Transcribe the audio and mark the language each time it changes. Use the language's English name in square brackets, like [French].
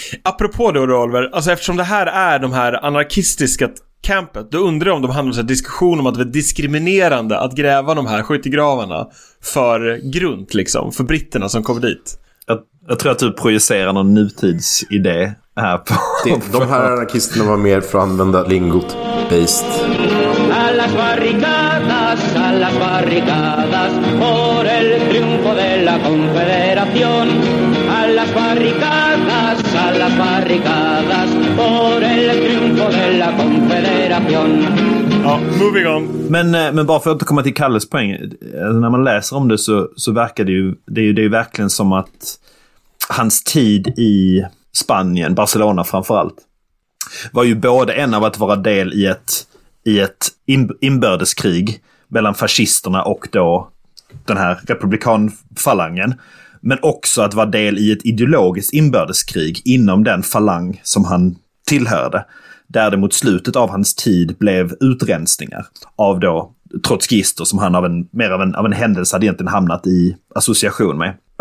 [Swedish] Apropå det, Oliver, alltså eftersom det här är de här anarkistiska campet, då undrar jag om de handlar om en diskussion om att det är diskriminerande att gräva de här skyttegravarna för grunt liksom, för britterna som kom dit. Jag tror att du projicerar någon nutidsidé här på de här anarkisterna var mer för att använda lingot based. [Spanish] Alla barrikadas, alla barrikadas, por el triunfo de la confederación. Alla barrikadas, alla barrikadas, por el triunfo de la confederación. [English] Ja, moving on. [Swedish] Men bara för att komma till Kalles poäng, när man läser om det så verkar det är ju verkligen som att hans tid i Spanien, Barcelona framförallt, var ju både en av att vara del i ett inbördeskrig mellan fascisterna och då den här republikanfalangen, men också att vara del i ett ideologiskt inbördeskrig inom den falang som han tillhörde, där det mot slutet av hans tid blev utrensningar av då trotskister som han av en händelse hade egentligen hamnat i association med.